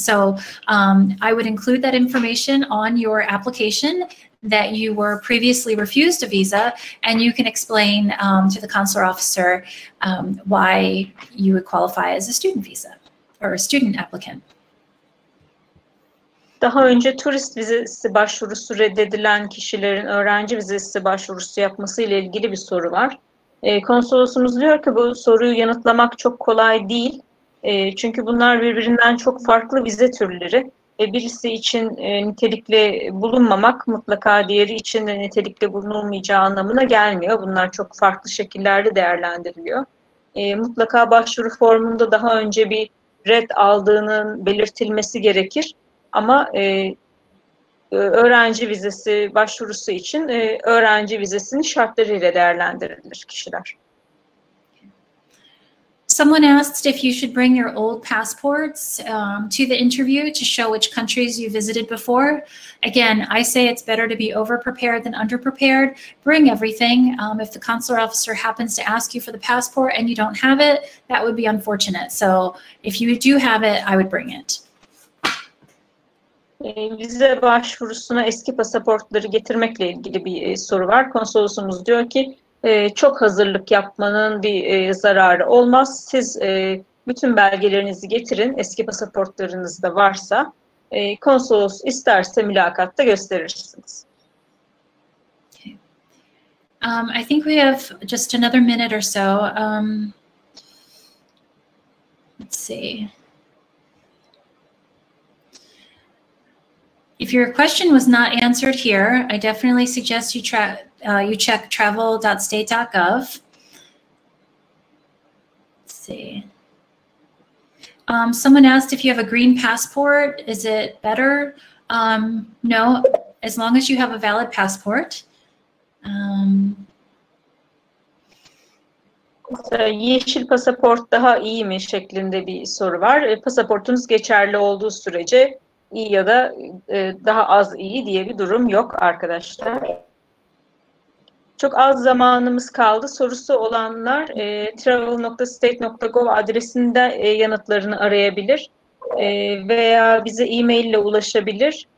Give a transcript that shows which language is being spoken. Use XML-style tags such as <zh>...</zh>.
<en>So I would include that information on your application that you were previously refused a visa, and you can explain to the consular officer why you would qualify as a student visa or a student applicant.</en> <tr>Daha önce turist vizesi başvurusu reddedilen kişilerin öğrenci vizesi başvurusu yapması ile ilgili bir soru var. Konsolosumuz diyor ki bu soruyu yanıtlamak çok kolay değil. Çünkü bunlar birbirinden çok farklı vize türleri. Birisi için nitelikli bulunmamak mutlaka diğeri için de nitelikli bulunulmayacağı anlamına gelmiyor. Bunlar çok farklı şekillerde değerlendiriliyor. Mutlaka başvuru formunda daha önce bir red aldığının belirtilmesi gerekir. Ama öğrenci vizesi başvurusu için öğrenci vizesinin şartlarıyla değerlendirilir kişiler.</tr> <en>Someone asked if you should bring your old passports to the interview to show which countries you visited before. Again, I say it's better to be overprepared than underprepared. Bring everything. If the consular officer happens to ask you for the passport and you don't have it, that would be unfortunate. So if you do have it, I would bring it.</en> <tr>Vize başvurusuna eski pasaportları getirmekle ilgili bir soru var. Konsolosumuz diyor ki çok hazırlık yapmanın bir zararı olmaz. Siz bütün belgelerinizi getirin, eski pasaportlarınız da varsa konsolos isterse mülakatta gösterirsiniz.</tr> <en>I think we have just another minute or so. Let's see. If your question was not answered here, I definitely suggest you you check travel.state.gov. Let's see. Someone asked if you have a green passport, is it better? No, as long as you have a valid passport.</en> <tr>Yeşil pasaport daha iyi mi şeklinde bir soru var. Pasaportunuz geçerli olduğu sürece iyi ya da daha az iyi diye bir durum yok arkadaşlar. Çok az zamanımız kaldı. Sorusu olanlar travel.state.gov adresinde yanıtlarını arayabilir veya bize e-mail ile ulaşabilir.</tr>